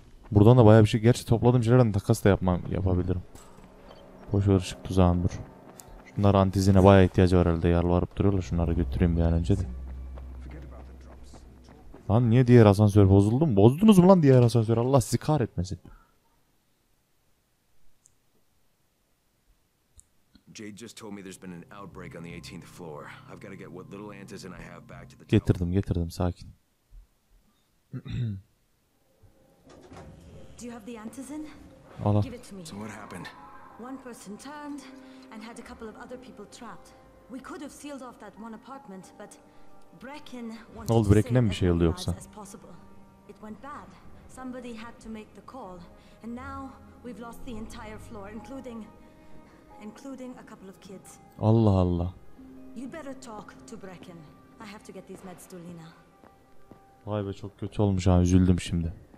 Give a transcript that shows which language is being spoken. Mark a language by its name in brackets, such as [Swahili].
[Turkish] Buradan da baya bir şey, gerçi topladığım şeylerden takas da yapabilirim. Boşver ışık tuzağım dur. Şunlar antizine baya ihtiyacı var herhalde, yalvarıp duruyorlar, şunları götüreyim bir an önce de. Lan niye diğer asansör bozuldu mu? Bozdunuz mu lan diğer asansör, Allah sizi kahretmesin. [English] Jade just told me there's been an outbreak on the 18th floor. I've got to get what little antizin I have back to the. [Turkish] Getirdim, getirdim, sakin. [English] Do you have the antizin? Ala. Give it to me. So what happened? One person turned and had a couple of other people trapped. We could have sealed off that one apartment, but Brecken wanted to save as many lives as possible. It went bad. Somebody had to make the call. And now we've lost the entire floor, including a couple of kids. [Turkish] Allah Allah. [English] You better talk to Brecken. I have to get these meds to Lina. [Turkish] Vay be, çok kötü olmuş ha, üzüldüm şimdi.